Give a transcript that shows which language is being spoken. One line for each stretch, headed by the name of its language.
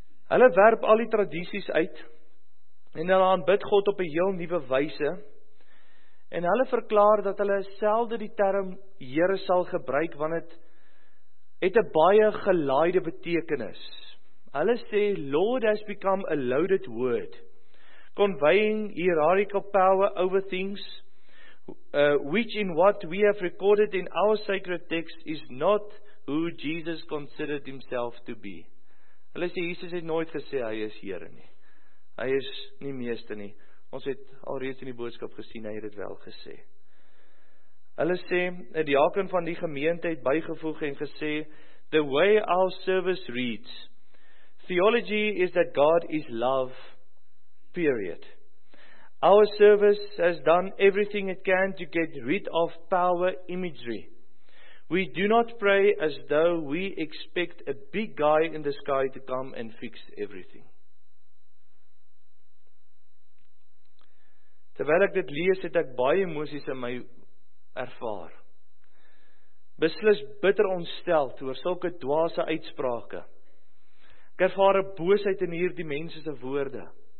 Afrikaans: Hulle werp al die tradities uit en hulle aanbid God op 'n heel nuwe wyse. En hulle verklaar dat hulle selde die term Here sal gebruik, want dit het 'n baie gelaaide betekenis. Hulle sê
English: Lord has become a loaded word, conveying hierarchical power over things, which in what we have recorded in our sacred text is not who Jesus considered himself to be.
Afrikaans: Hulle sê Jesus het nooit gesê hy is Here nie. Hy is nie meester nie. Ons het alreeds in die boodskap gesien, hy het dit wel gesê. Hulle sê, 'n diaken van die gemeente het bygevoeg en gesê,
English: the way our service reads, theology is that God is love, period. Our service has done everything it can to get rid of power imagery. We do not pray as though we expect a big guy in the sky to come and fix everything.
Afrikaans: Terwyl ek dit lees, het ek baie emosies in my ervaar. Beslis bitter ontsteld oor sulke dwaase uitsprake. Ek ervaar 'n boosheid in hierdie mense se woorde.